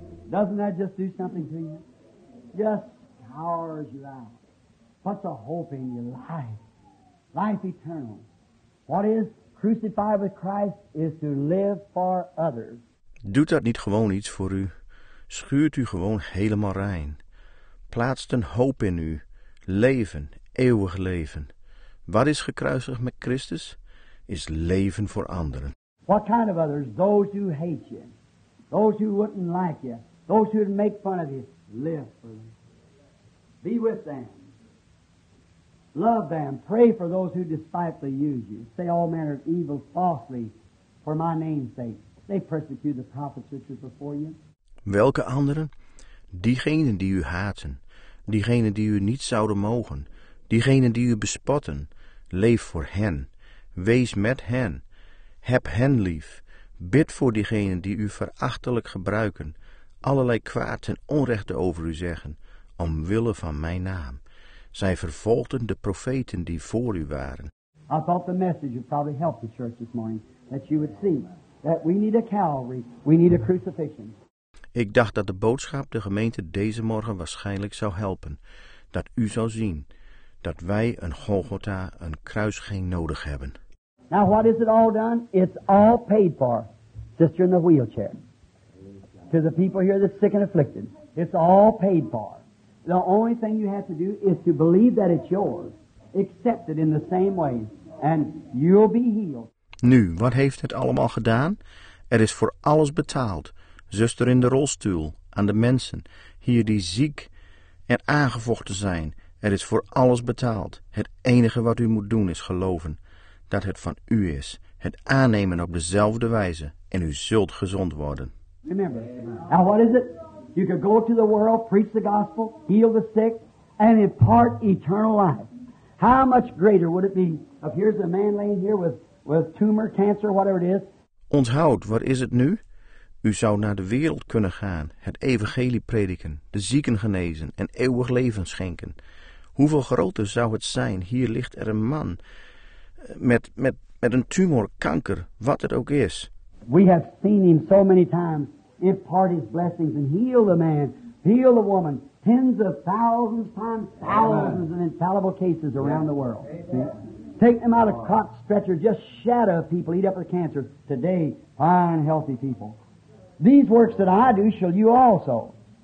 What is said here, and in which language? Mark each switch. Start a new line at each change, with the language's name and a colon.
English: Doesn't that just do something to you? Just powers you out. What's the hope in your life? Life eternal. What is crucified with Christ is to live for others.
Dutch: Doet dat niet gewoon iets voor u? Schuurt u gewoon helemaal rein? Plaatst een hoop in u. Leven, eeuwig leven. Wat is gekruisigd met Christus? Is leven voor anderen.
English: What kind of others? Those who hate you. Those who wouldn't like you. Those who would make fun of you. Live for them. Be with them. Love them. Pray for those who despitefully use you. Say all manner of evil falsely for my name's sake. They persecute the prophets which are before you.
Dutch: Welke anderen? Diegenen die u haten. Diegenen die u niet zouden mogen. Diegenen die u bespotten. Leef voor hen. Wees met hen. Heb hen lief. Bid voor diegenen die u verachtelijk gebruiken. Allerlei kwaad en onrechte over u zeggen. Omwille van mijn naam. Zij vervolgden de profeten die voor u waren.
English: I thought the message would probably help the church this morning. That you would see that we need a Calvary. We need a crucifixion.
Dutch: Ik dacht dat de boodschap de gemeente deze morgen waarschijnlijk zou helpen. Dat u zou zien dat wij een Golgotha, een kruisging nodig hebben.
English: Now what is it all done? It's all paid for, sister in the wheelchair. To the people here that's sick and afflicted. It's all paid for. The only thing you have to do is to believe that it's yours. Accept it in the same way and you'll be healed.
Dutch: Nu, wat heeft het allemaal gedaan? Er is voor alles betaald. Zuster in de rolstoel, aan de mensen, hier die ziek en aangevochten zijn, er is voor alles betaald. Het enige wat u moet doen is geloven dat het van u is. Het aannemen op dezelfde wijze en u zult gezond worden.
English: Remember, now what is it? You can go to the world, preach the gospel, heal the sick, and impart eternal life. How much greater would it be if here's a man laying here with tumor, cancer, whatever it is.
Dutch: Onthoud, wat is het nu? U zou naar de wereld kunnen gaan, het evangelie prediken, de zieken genezen en eeuwig leven schenken. Hoeveel groter zou het zijn, hier ligt er een man met een tumor, kanker, wat het ook is.
English: We have seen him so many times impart his blessings and heal the man, heal the woman, tens of thousands times thousands of infallible cases around the world. Take them out of cot stretchers, just shadow people, eat up the cancer. Today, fine, healthy people. These works that I do shall you also.